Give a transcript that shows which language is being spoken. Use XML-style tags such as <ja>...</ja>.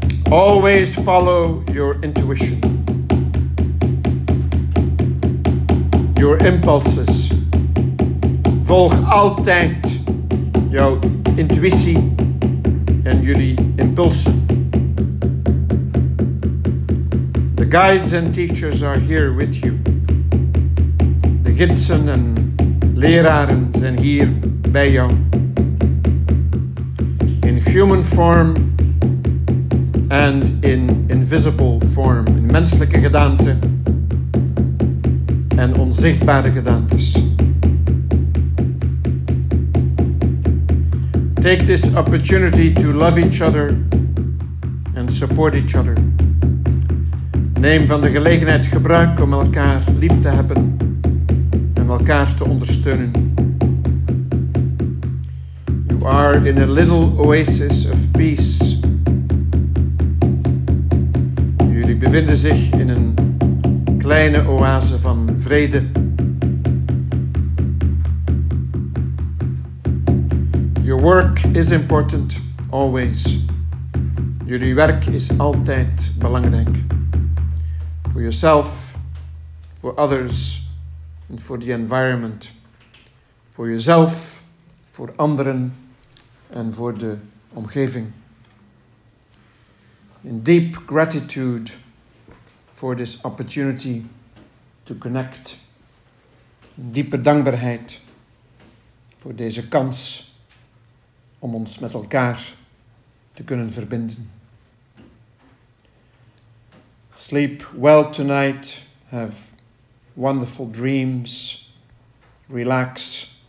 <en>Always follow your intuition, your impulses.</en> <nl>Volg altijd jouw intuïtie en jullie impulsen.</nl> <en>The guides and teachers are here with you.</en> <nl>gidsen en leraren zijn hier bij jou.</nl> <en>In human form and in invisible form,</en> <nl>in menselijke gedaante en onzichtbare gedaantes.</nl> <en>Take this opportunity to love each other and support each other.</en> <nl>Neem van de gelegenheid gebruik om elkaar lief te hebben en elkaar te ondersteunen.</nl> <en>You are in a little oasis of peace.</en> <nl>Jullie bevinden zich in een kleine oase van vrede.</nl> <en>Your work is important, always.</en> <nl>Jullie werk is altijd belangrijk.</nl> <en>For yourself, for others, and for the environment. For yourself, for</en> <nl>anderen,</nl> <en>and for the</en> <nl>omgeving.</nl> <en>In deep gratitude for this opportunity to connect.</en> <nl>In diepe dankbaarheid voor deze kans om ons met elkaar te kunnen verbinden.</nl> <en>Sleep well tonight. Have wonderful dreams. Relax.</en>